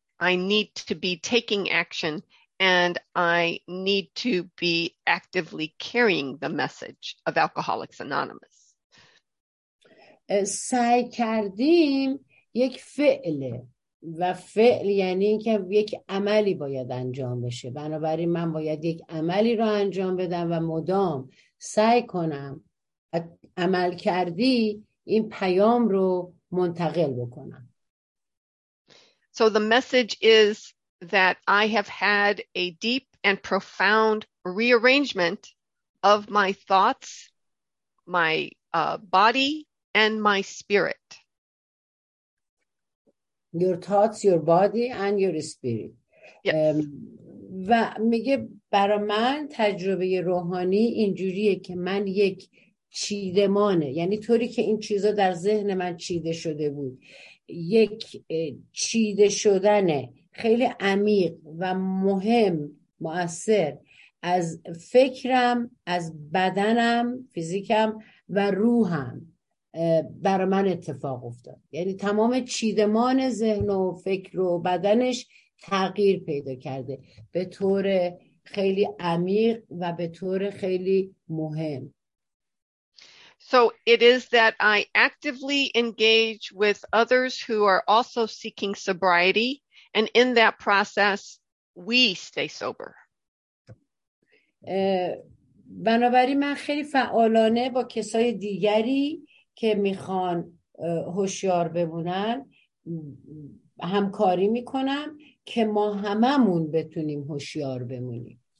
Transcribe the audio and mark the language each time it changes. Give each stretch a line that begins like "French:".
English: I need to be taking action and I need to be actively carrying the message of Alcoholics Anonymous.
Persian: سعی کردیم یک فعل و فعل یعنی اینکه یک عملی باید انجام بشه. بنابراین من باید یک عملی رو انجام بدم و مدام سعی کنم عمل کردی این پیام رو منتقل بکنم.
English: So the message is that I have had a deep and profound rearrangement of my thoughts, my body, and my spirit. Your thoughts, your body, and your spirit. Yes.
Persian: و میگه برای من تجربه روحانی اینجوریه که من یک چیدمانه، یعنی طوری که این چیزا در ذهن من چیده شده بود، یک چیده شدن خیلی عمیق و مهم مؤثر از فکرم، از بدنم، فیزیکم و روحم برای من اتفاق افتاد. یعنی تمام چیدمان ذهن و فکر و بدنش تغییر پیدا کرده به طور خیلی عمیق و به طور خیلی مهم.
English: So it is that I actively engage with others who are also seeking sobriety, and in that process, we stay sober.
Persian: بنابراین من خیلی فعالانه با کسای دیگری که میخوان هوشیار بمونن همکاری میکنم که ما هممون بتونیم هوشیار بمونیم.